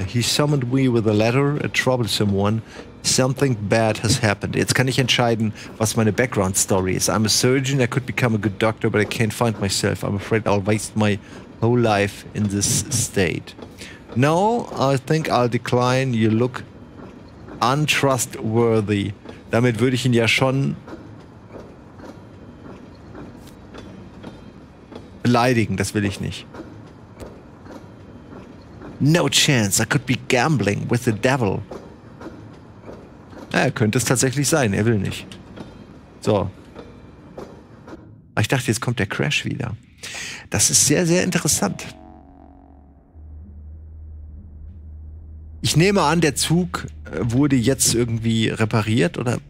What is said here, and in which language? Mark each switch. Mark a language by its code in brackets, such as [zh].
[en] He summoned me with a letter, a troublesome one. Something bad has happened. [de] Jetzt kann ich entscheiden, was meine Background Story ist. [en] I'm a surgeon, I could become a good doctor, but I can't find myself. I'm afraid I'll waste my whole life in this state. No, I think I'll decline. You look untrustworthy. [de] Damit würde ich ihn ja schon beleidigen, das will ich nicht. [en] No chance, I could be gambling with the devil. [de] Ja, könnte es tatsächlich sein, er will nicht. So. Ich dachte, jetzt kommt der Crash wieder. Das ist sehr, sehr interessant. Ich nehme an, der Zug wurde jetzt irgendwie repariert, oder?